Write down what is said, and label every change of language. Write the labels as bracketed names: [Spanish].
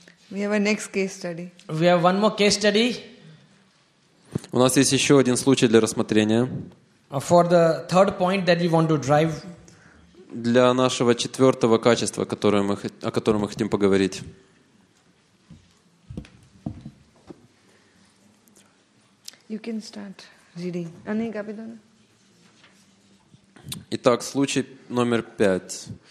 [English] We have a next case study. We have one more case study. [Russian] У нас есть еще один случай для рассмотрения. [English] For the third point that we want to drive. [Russian] Для нашего четвертого качества, о котором мы хотим поговорить. [English] You can start reading. Ani Gabidana. [Russian] Итак, случай номер 5.